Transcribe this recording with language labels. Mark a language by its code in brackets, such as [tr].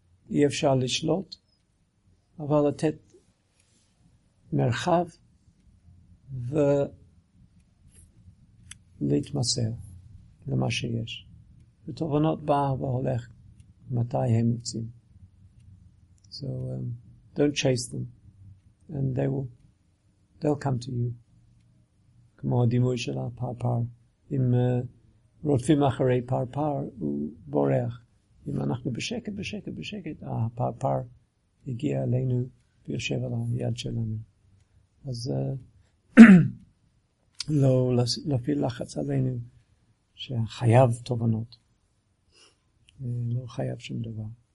[he] אי אפשר לשלוט, אבל לתת מרחב ולהתמסר למה שיש. ותובנות באה והולך מתי הם יוצאים. [en] So, don't chase them, and they'll come to you. [he] כמו הדימוי של הפרפר. אם רודפים אחרי פרפר, הוא בורח. אם אנחנו בשקט, בשקט, בשקט, הפרפר הגיע אלינו ויושב על היד שלנו. אז לא להפעיל לחץ עלינו שחייב תובנות. לא חייב שום דבר.